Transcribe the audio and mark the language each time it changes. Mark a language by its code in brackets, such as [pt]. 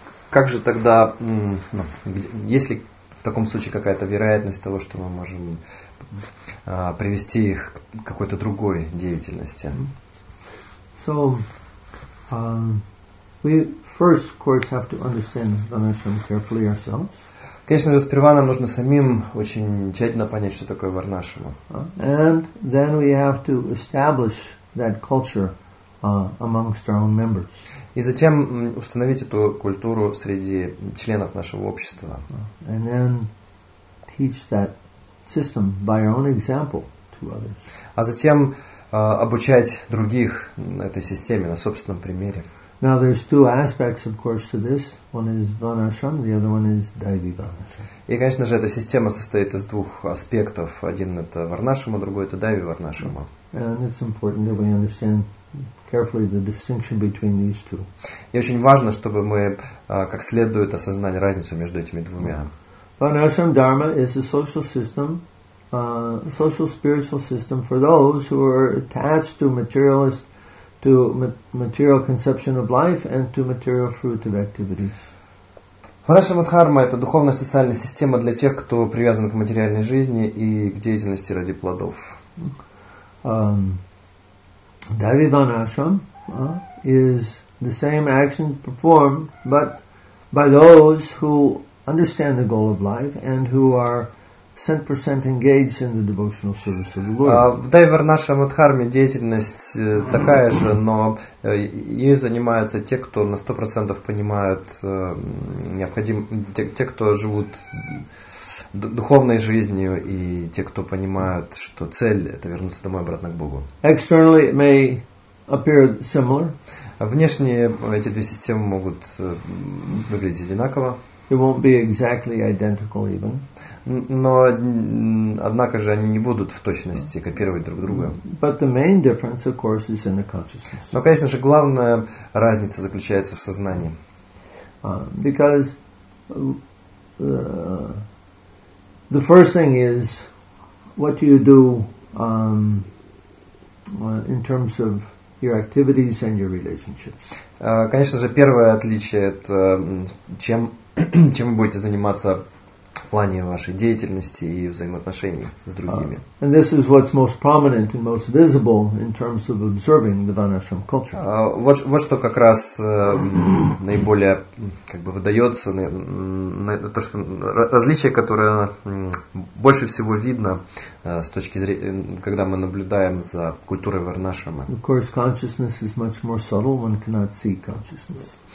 [ru] Как же тогда, ну, есть ли в таком случае какая-то вероятность того, что мы можем привести их к какой-то другой деятельности? [en] So, we first, of course, have to understand Varnashram carefully ourselves. [ru] Конечно же, сперва нам нужно самим очень тщательно понять, что такое Варнашрама. [en] And then we have to establish that culture amongst our own members. [ru] И затем установить эту культуру среди членов нашего общества. [en] And then teach that system by our own example to others. [ru] А затем обучать других этой системе на собственном примере. [en] Now there's two aspects, of course, to this. One is Varnashram, the other one is Daivi Varnashram. [ru] И, конечно же, эта система состоит из двух аспектов. Один это Варнашрама, другой это Дайви Варнашрама. [en] And it's important that we understand carefully the distinction between these two. [ru] И очень важно, чтобы мы как следует осознали разницу между этими двумя. [en] Varnashram Dharma is a social system, social spiritual system for those who are attached to materialist to material conception of life and to material fruit of activities. [ru] Варнашрама Дхарма это духовная социальная система для тех, кто привязан к материальной жизни и к деятельности ради плодов. [en] Дайви Варнашрам is the same action performed but by those who understand the goal of life and who are 100% engaged in the devotional service of the Lord. [ru] В Дайви Варнашрама Дхарме деятельность такая же, но ею занимаются те, кто на 100% понимают необходимость, те, кто живут духовной жизнью и те, кто понимают, что цель это вернуться домой обратно к Богу. [en] Externally it may appear similar. [ru] Внешне эти две системы могут выглядеть одинаково. [en] It won't be exactly identical even. [ru] Но однако же они не будут в точности копировать друг друга. [en] But the main difference, of course, is in the consciousness. [ru] Но, конечно же, главная разница заключается в сознании. [en] Because the first thing is what do you do in terms of your activities and your relationships. [ru] Конечно же, первое отличие это чем вы будете заниматься в плане вашей деятельности и взаимоотношений с другими. [en] And this is what's most prominent and most visible in terms of observing the Varnashram culture. [ru] Вот что как раз наиболее как бы выдается, то, что различие, которое больше всего видно с точки зрения, когда мы наблюдаем за культурой Варнашрама. [en] Of course, consciousness is much more subtle. One cannot see consciousness.